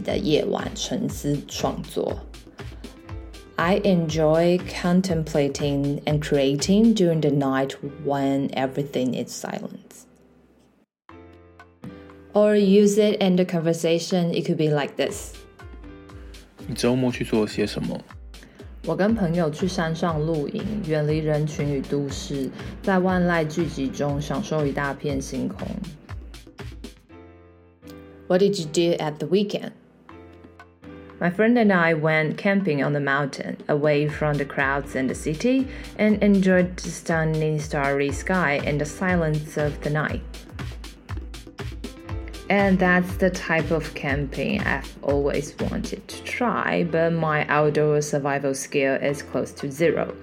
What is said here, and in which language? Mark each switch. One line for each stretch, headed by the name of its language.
Chinese: 我喜欢在万籁俱寂的夜晚沉思创作.
English: I enjoy contemplating and creating during the night when everything is silent. Or use it in the conversation, it could be like this.
Chinese: 你周末去做了些什么? 我跟朋友去山上露营，远离人群与都市， 在万籁俱寂中享受一大片星空。
English: What did you do at the weekend? My friend and I went camping on the mountain, away from the crowds and the city, and enjoyed the stunning starry sky and the silence of the night. And that's the type of camping I've always wanted to try, but my outdoor survival skill is close to zero.